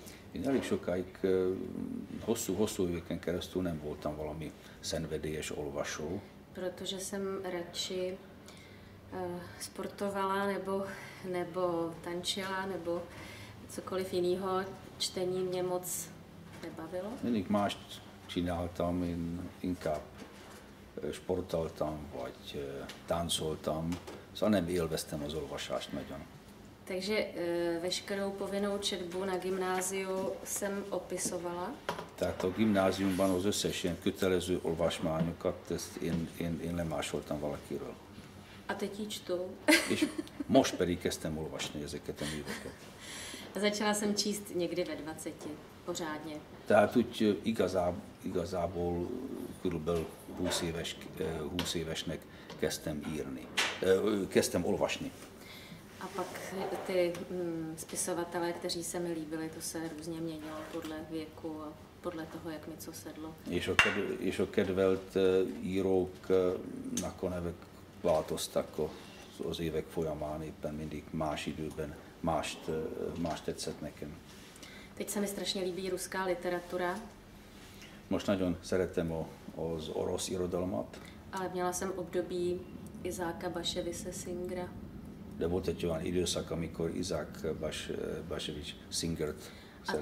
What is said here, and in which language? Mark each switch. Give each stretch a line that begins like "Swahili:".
Hungarian: Én elég sokáig, hosszú éveken keresztül nem voltam valami szenvedélyes olvasó.
Czech: Protože jsem radši sportovala, nebo tančila, nebo cokoliv jiného. Čtení mě moc nebavilo.
Hungarian: Mindig más csináltam, én inkább sportoltam, vagy táncoltam. Szóval nem élveztem az olvasást nagyon.
Czech: Takže veškerou povinnou četbu na gymnáziu jsem opisovala.
Hungarian: Tehát a gymnáziumban az összes ilyen kötelező olvasmányokat, ezt én lemásoltam valakiről.
Czech: A teď ji čtu.
Hungarian: És most pedig kezdtem olvasni ezeket a műveket.
Czech: A začala jsem číst někdy ve 20, pořádně.
Hungarian: Tehát úgy igazából körülbelül 20 évesnek kezdtem írni, kezdtem olvasni.
Czech: A pak ty spisovatelé, kteří se mi líbili, to se různě měnilo podle věku a podle toho, jak mi co sedlo.
Hungarian: És a kedvelt írók nakonec változtak az évek folyamán, éppen mindig más időben mást tetszett nekem.
Czech: Teď se mi strašně líbí ruská literatura.
Hungarian: Most nagyon szeretem az orosz irodalmat.
Czech: Ale měla jsem období Izáka Baševiče Singera.
Hungarian: De volt egy olyan időszak, amikor Izák Bašević Singert szerettem.